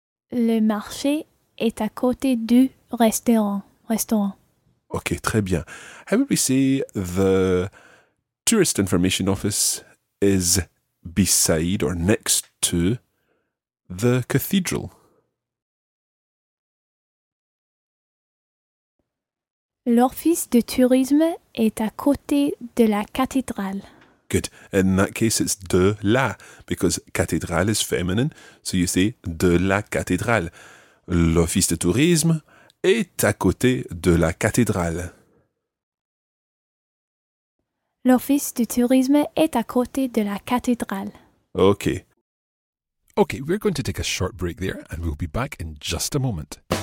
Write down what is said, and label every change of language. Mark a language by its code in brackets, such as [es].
[fr] Le marché est à côté du restaurant. Restaurant. Ok, très bien. [en] How would we say the tourist information office is beside or next to the cathedral? [fr] L'office de tourisme est à côté de la cathédrale. [en] Good. In that case, it's de la, because cathédrale is feminine, so you say de la cathédrale. [fr] L'office de tourisme est à côté de la cathédrale. L'office de tourisme est à côté de la cathédrale. [en] Okay. Okay, we're going to take a short break there and we'll be back in just a moment.